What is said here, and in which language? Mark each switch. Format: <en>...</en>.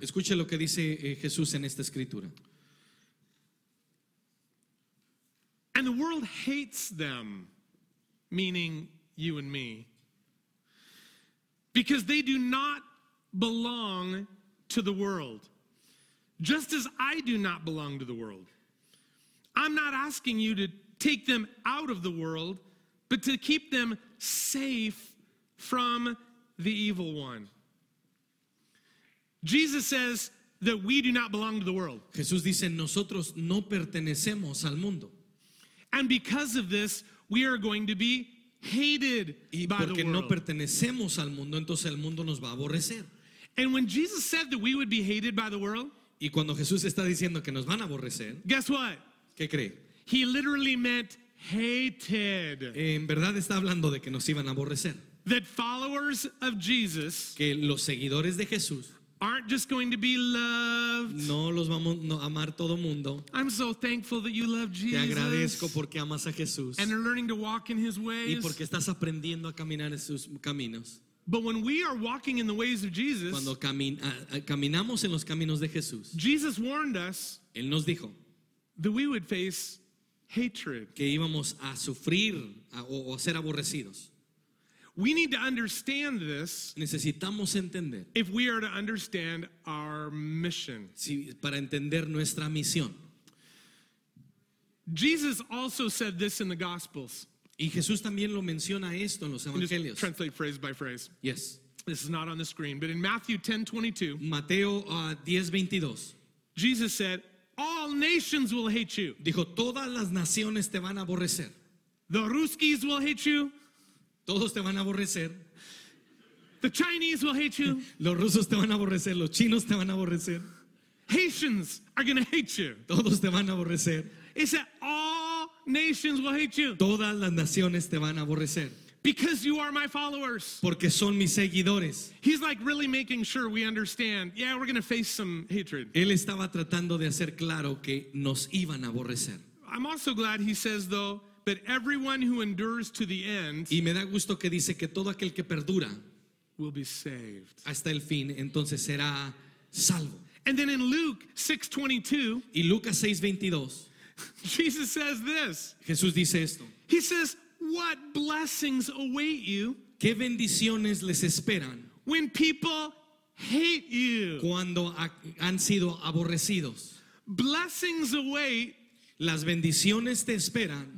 <es>Escuche lo que dice Jesús en esta escritura.</es> <en>And the world hates them, meaning you and me, because they do not belong to the world, just as I do not belong to the world. I'm not asking you to take them out of the world, but to keep them safe from the evil one. Jesus says that we do not belong to the world.</en> <es>Jesús dice, nosotros no pertenecemos al mundo.</es> <en>And because of this, we are going to be hated by the world.</en> <es>Y porque no pertenecemos al mundo, entonces el mundo nos va a aborrecer.</es> <en>And when Jesus said that we would be hated by the world,</en> <es>y cuando Jesús está diciendo que nos van a aborrecer,</es> <en>guess what?</en> <es>¿Qué cree?</es> <en>He literally meant hated.</en> <es>En verdad está hablando de que nos iban a aborrecer.</es> <en>That followers of Jesus,</en> <es>que los seguidores de Jesús,</es> <en>aren't just going to be loved.</en> <es>No los vamos a amar todo mundo.</es> <en>I'm so thankful that you love Jesus.</en> <es>Te agradezco porque amas a Jesús.</es> <en>And are learning to walk in His ways.</en> <es>Y porque estás aprendiendo a caminar en sus caminos.</es> <en>But when we are walking in the ways of Jesus,</en> <es>cuando caminamos en los caminos de Jesús,</es> <en>Jesus warned us.</en> <es>Él nos dijo</es> <en>that we would face hatred.</en> <es>Que íbamos a sufrir o ser aborrecidos.</es> <en>We need to understand this.</en> <es>Necesitamos entender.</es> <en>If we are to understand our mission.</en> <es>Si, para entender nuestra misión.</es> <en>Jesus also said this in the Gospels.</en> <es>Y Jesús también lo menciona esto en los evangelios.</es> <en>Translate phrase by phrase. Yes. This is not on the screen, but in Matthew 10:22.</en> <es>Mateo 10:22.</es> <en>Jesus said, "All nations will hate you."</en> <es>Dijo, "Todas las naciones te van a aborrecer."</es> <en>The Ruskies will hate you.</en> <es>Todos te van a aborrecer.</es> <en>The Chinese will hate you.</en> <es>Los rusos te van a aborrecer, los chinos te van a aborrecer.</es> <en>Haitians are going to hate you.</en> <es>Todos te van a aborrecer.</es> <en>It's that all nations will hate you.</en> <es>Todas las naciones te van a aborrecer.</es> <en>Because you are my followers.</en> <es>Porque son mis seguidores.</es> <en>He's like really making sure we understand. Yeah, we're going to face some hatred.</en> <es>Él estaba tratando de hacer claro que nos iban a aborrecer.</es> <en>I'm also glad he says though, but everyone who endures to the end,</en> <es>y me da gusto que dice que todo aquel que perdura,</es> <en>will be saved.</en> <es>Hasta el fin, entonces será salvo.</es> <en>And then in Luke 6:22,</en> <es>y Lucas 6:22,</es> <en>Jesus says this.</en> <es>Jesús dice esto.</es> <en>He says, "What blessings await you?</en> <es>¿Qué bendiciones les esperan?</es> <en>When people hate you,</en> <es>cuando han sido aborrecidos.</es> <en>Blessings await."</en> <es>Las bendiciones te esperan.</es>